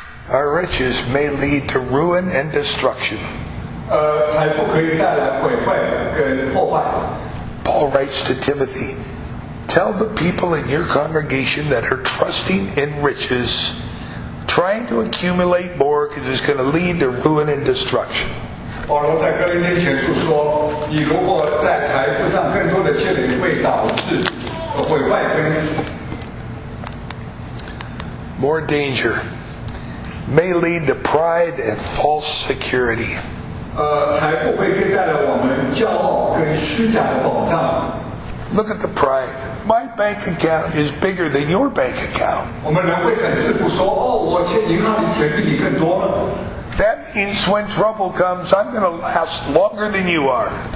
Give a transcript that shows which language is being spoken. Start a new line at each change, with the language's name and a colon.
English: Our riches may lead to ruin and destruction.
Chinese: 财富可以带来毁坏跟破坏。
English: Paul writes to Timothy, tell the people in your congregation that are trusting in riches, trying to accumulate more because it's going to lead to ruin and destruction.
Chinese: 保罗在哥林多前书说，你如果在财富上更多的积累，会导致毁坏跟
English: more danger may lead to pride and false security.
Chinese: 财富会带来我们骄傲跟虚假的保障。
English: look at the pride. My bank account is bigger than your bank account. That means when trouble comes, I'm going to last longer than you are.